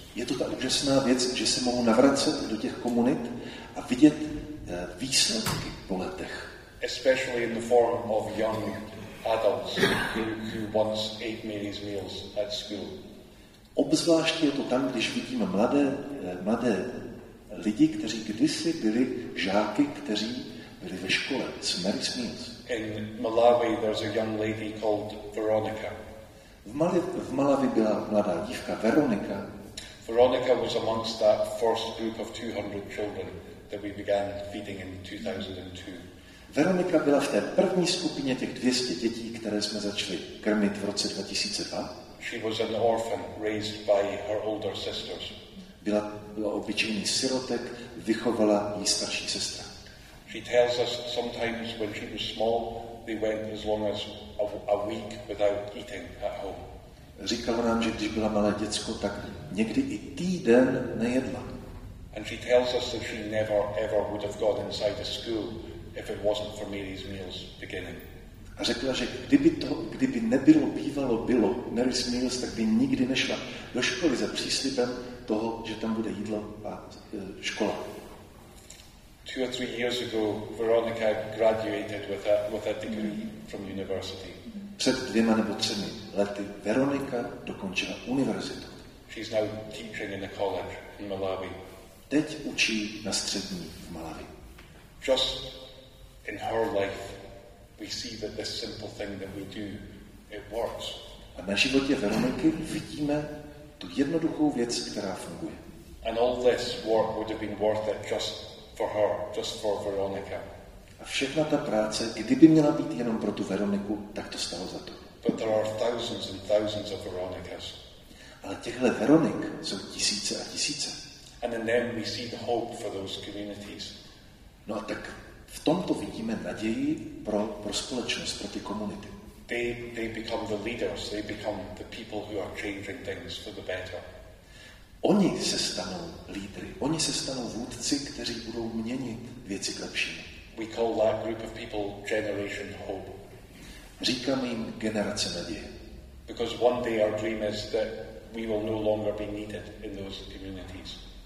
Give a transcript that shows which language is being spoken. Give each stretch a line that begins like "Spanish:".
Czech: Je to ta úžasná věc, že se mohu navracet do těch komunit a vidět výsledky po letech.
English: Especially in the form of young adults who once ate Mary's meals at school.
Czech: Obzvláště je to tam, když vidíme mladé lidi, kteří kdysi byli žáky, kteří byli ve škole s Mary's meals.
English: In Malawi there's a young lady called Veronica.
Czech: V Malawi byla mladá dívka Veronika.
English: Veronica was amongst that first group of 200 children that we began feeding in 2002.
Czech: Veronika byla v té první skupině těch 200 dětí, které jsme začali krmit v roce 2002.
English: She was an orphan raised by her older sisters.
Czech: Byla obyčejný sirotek, vychovala jí starší sestra.
English: She tells us sometimes when she was small, they went as long as a week without eating at home.
Czech: říkala nám, že když byla malé děcko, tak někdy i týden nejedla.
English: And she tells us that she never ever would have got inside the school if it wasn't for Mary's meals beginning.
Czech: A řekla, že kdyby nebylo bývalo bylo Mary's meals, tak by nikdy nešla do školy za příslibem toho, že tam bude jídlo a škola.
English: Two or three years ago, Veronica graduated with a degree from university.
Czech: Před dvěma nebo třemi lety Veronika dokončila univerzitu.
English: She's now teaching in a college in Malawi.
Czech: Teď učí na střední v Malawi.
English: Just in her life, we see that this simple thing that we do, it works.
Czech: A na životě Veroniky vidíme tu jednoduchou věc, která funguje.
English: And all this work would have been worth it just for her, just for Veronica.
Czech: A všechna ta práce, kdyby měla být jenom pro tu Veroniku, tak to stalo za to.
English: But there are thousands and thousands of Veronicas.
Czech: Ale těchto Veronik jsou tisíce a tisíce.
English: And in them we see the hope for those communities.
Czech: No a tak v tomto vidíme naději pro společnost, pro ty komunity.
English: They become the leaders, they become the people who are changing things for the better.
Czech: Oni se stanou lídry, oni se stanou vůdci, kteří budou měnit věci k lepšímu.
English: We call that group of people Generation Hope.
Czech: Říkám jim generace naděje.
English: Because one day our dream is that we will no longer be needed in those communities.